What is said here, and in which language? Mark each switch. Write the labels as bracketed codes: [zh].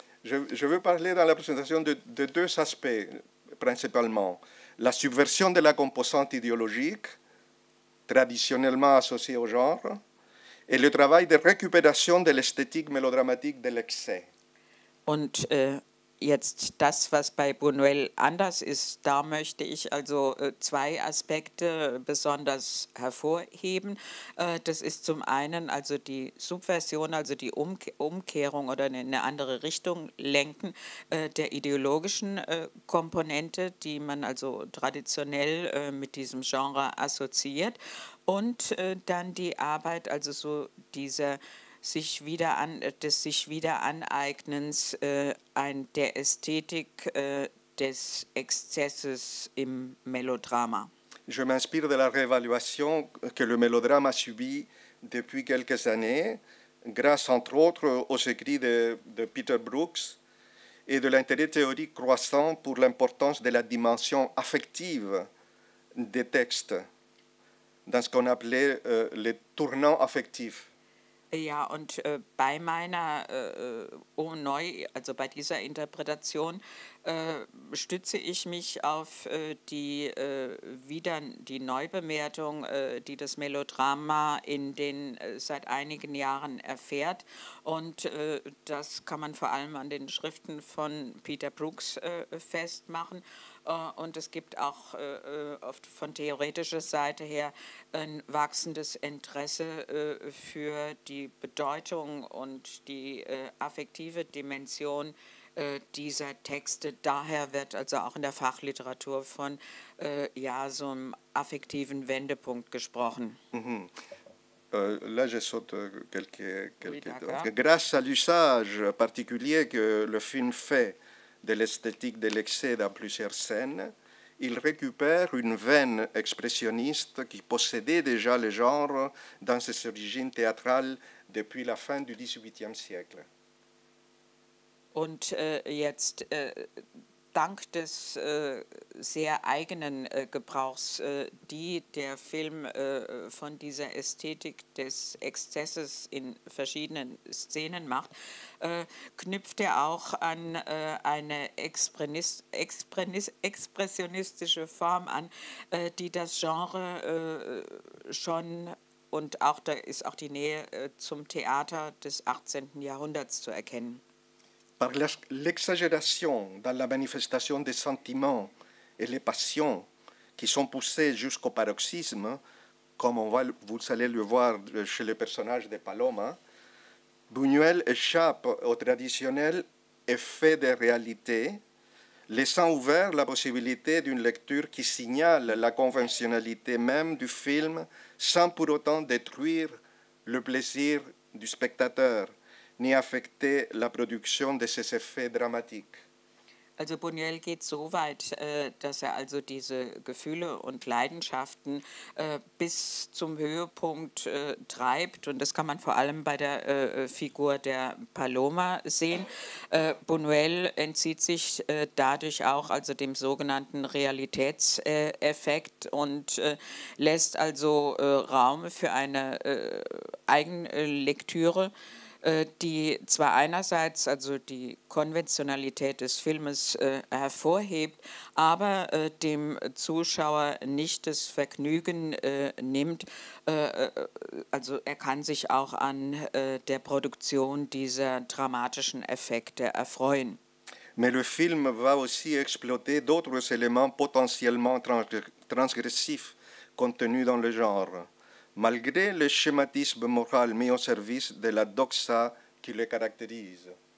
[fr] Je veux parler dans la présentation de deux aspects principalement. La subversion de la composante idéologique, traditionnellement associé au genre, et le travail de récupération de l'esthétique mélodramatique de l'excès. [de] Und jetzt das, was bei Buñuel anders ist, da möchte ich also zwei Aspekte besonders hervorheben. Das ist zum einen also die Subversion, also die Umkehrung oder in eine andere Richtung lenken der ideologischen Komponente, die man also traditionell mit diesem Genre assoziiert. Und dann die Arbeit, also so diese sich wieder an des sich wieder aneignens ein der Ästhetik des Exzesses im Melodrama. Je m'inspire de la réévaluation que le mélodrame a subi depuis quelques années grâce entre autres aux écrits de Peter Brooks et de l'intérêt théorique croissant pour l'importance de la dimension affective des textes dans ce qu'on appelait le tournant affectif. Ja, und bei meiner Neu, also bei dieser Interpretation, stütze ich mich auf die Neubemertung, die das Melodrama in den seit einigen Jahren erfährt. Und das kann man vor allem an den Schriften von Peter Brooks festmachen. Und es gibt auch oft von theoretischer Seite her ein wachsendes Interesse für die Bedeutung und die affektive Dimension dieser Texte. Daher wird also auch in der Fachliteratur von so einem affektiven Wendepunkt gesprochen. [fr] Là, je saute quelques grâce à l'usage particulier que le film fait de l'esthétique de l'excès dans plusieurs scènes, il récupère une veine expressionniste qui possédait déjà le genre dans ses origines théâtrales depuis la fin du XVIIIe siècle. [de] Und jetzt dank des sehr eigenen Gebrauchs, die der Film von dieser Ästhetik des Exzesses in verschiedenen Szenen macht, knüpft er auch an eine expressionistische Form an, die das Genre schon und auch da ist auch die Nähe zum Theater des 18. Jahrhunderts zu erkennen. [fr] Par l'exagération dans la manifestation des sentiments et les passions qui sont poussées jusqu'au paroxysme, comme vous allez le voir chez le personnage de Paloma, Buñuel échappe au traditionnel effet de réalité, laissant ouvert la possibilité d'une lecture qui signale la conventionnalité même du film sans pour autant détruire le plaisir du spectateur. Ni affecter la production de ces effets dramatiques. [de] Also Buñuel geht so weit, dass er also diese Gefühle und Leidenschaften bis zum Höhepunkt treibt. Und das kann man vor allem bei der Figur der Paloma sehen. Buñuel entzieht sich dadurch auch also dem sogenannten Realitätseffekt und lässt also Raum für eine Eigenlektüre, die zwar einerseits also die Konventionalität des Filmes hervorhebt, aber dem Zuschauer nicht das Vergnügen nimmt. Also er kann sich auch an der Produktion dieser dramatischen Effekte erfreuen. [fr] Mais le film va aussi exploiter d'autres éléments potentiellement transgressifs contenus dans le genre. Malgré le schématisme moral mis au service de la doxa qui le caractérise.